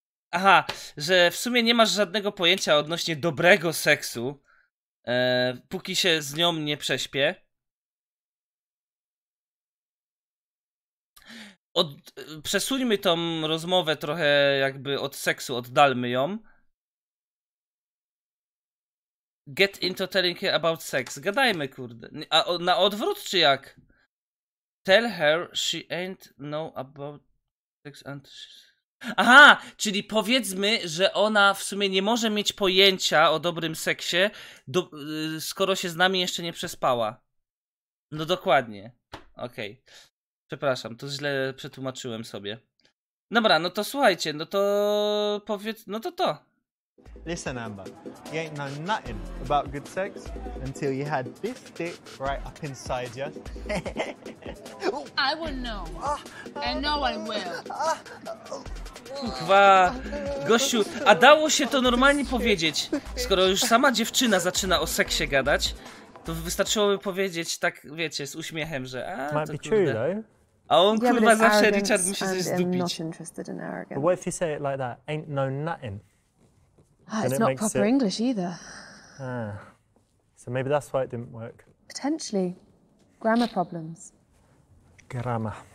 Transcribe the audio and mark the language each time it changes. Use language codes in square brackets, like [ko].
[pl] Aha, że w sumie nie masz żadnego pojęcia odnośnie dobrego seksu, póki się z nią nie prześpię. Przesuńmy tą rozmowę trochę jakby od seksu, oddalmy ją. [en] Get into telling her about sex. [pl] Gadajmy, kurde. A na odwrót, czy jak? [en] Tell her she ain't know about sex and... Aha! [pl] Czyli powiedzmy, że ona w sumie nie może mieć pojęcia o dobrym seksie, skoro się z nami jeszcze nie przespała. No dokładnie. Okej. Okay. Przepraszam, to źle przetłumaczyłem sobie. Dobra, no to słuchajcie, no to powiedz... No to to. [en] Listen, Amber, you ain't know nothing about good sex until you had this dick right up inside you. I will know. I know I will. [pl] Kwa, gościu, a dało się to normalnie powiedzieć, skoro już sama dziewczyna zaczyna o seksie gadać, to wystarczyłoby powiedzieć tak, wiecie, z uśmiechem, że a, to [en] might be true, though. [pl] A on kurwa zawsze Richard musi coś zdupić. [en] But what if you say it like that? Ain't know nothing. It's not proper English either. So maybe that's why it didn't work. Potentially. Grammar problems. Grammar.